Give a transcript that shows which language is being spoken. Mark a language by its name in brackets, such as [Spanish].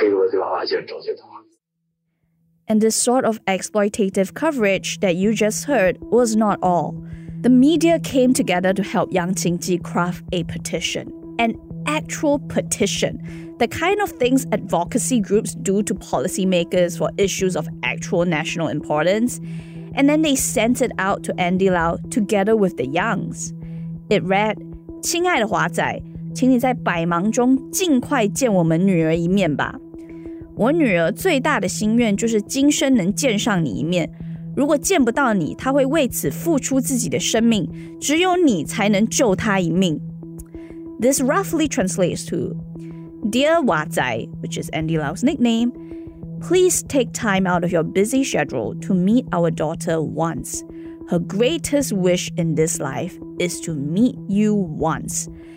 [Chinese] 这次我说我就喜欢他一个人，我说任何人，我说对我来说都是没有意义的。但是现在你到香港去是很有害处，不过他的，我想我卖身。我的意思是你最好能戒，就是卖身这个太危险。我怕我的，怕他想想到我陪我对吧，就找借口。 [English] And this sort of exploitative coverage that you just heard was not all. The media came together to help Yang Qingji craft a petition. An actual petition, the kind of things advocacy groups do to policymakers for issues of actual national importance, and then they sent it out to Andy Lau together with the Yangs. [Chinese] It read, 亲爱的华仔,请你在百忙中尽快见我们女儿一面吧。我女儿最大的心愿就是今生能见上你一面。如果见不到你,她会为此付出自己的生命,只有你才能救她一命。 [English] This roughly translates to, Dear Wazai, which is Andy Lau's nickname, please take time out of your busy schedule to meet our daughter once. Her greatest wish in this life is to meet you once.